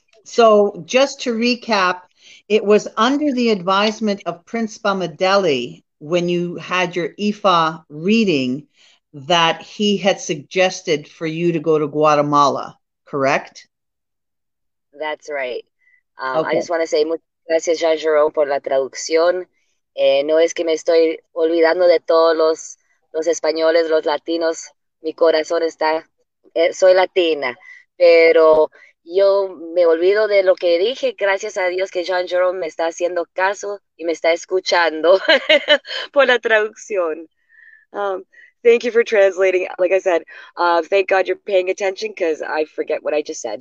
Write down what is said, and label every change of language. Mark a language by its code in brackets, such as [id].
[en] So just to recap, it was under the advisement of Prince Bamideli when you had your Ifa reading that he had suggested for you to go to Guatemala, correct? That's right. I Okay. just want to say [es] muchas gracias, Jean Jerome, por la traducción. No es que me estoy olvidando de todos los españoles, los latinos. Mi corazón está, soy latina, pero yo me olvido de lo que dije. Gracias a Dios que Jean Jerome me está haciendo caso y me está escuchando por la traducción. [en] Thank you for translating. Like I said, thank God you're paying attention because I forget what I just said.